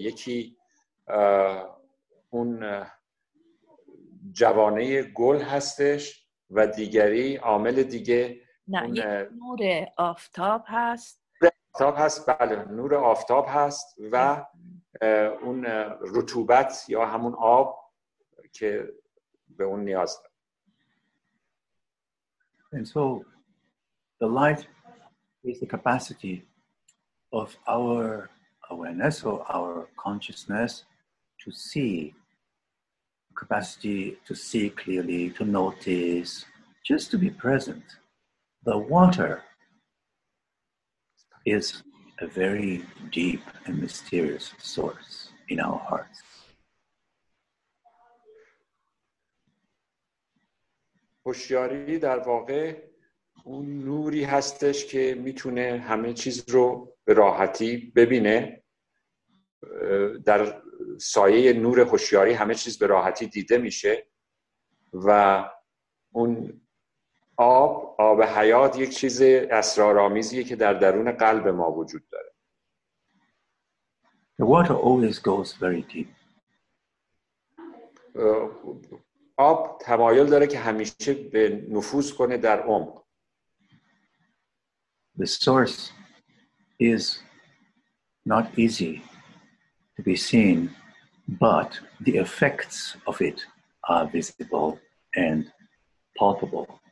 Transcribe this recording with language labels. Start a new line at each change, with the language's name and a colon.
Persian: یکی اون جوانه گل هستش و دیگری عامل دیگه نور آفتاب هست. آفتاب هست، بله، نور آفتاب هست و اون رطوبت یا همون آب که به اون نیاز داره.
English: And so the light is the capacity of our awareness or our consciousness to see, capacity to see clearly, to notice, just to be present. The water is a very deep and mysterious source in our hearts.
Persian: هوشیاری در واقع اون نوری هستش که میتونه همه چیز رو به راحتی ببینه. در سایه نور هوشیاری همه چیز به راحتی دیده میشه و اون آب، آب حیات، یک چیز اسرارآمیزیه که در درون قلب ما وجود داره.
English: The water always goes very deep.
Persian: آب تمایل داره که همیشه به نفوذ کنه در عمق.
English: The source is not easy to be seen, but the effects of it are visible and palpable.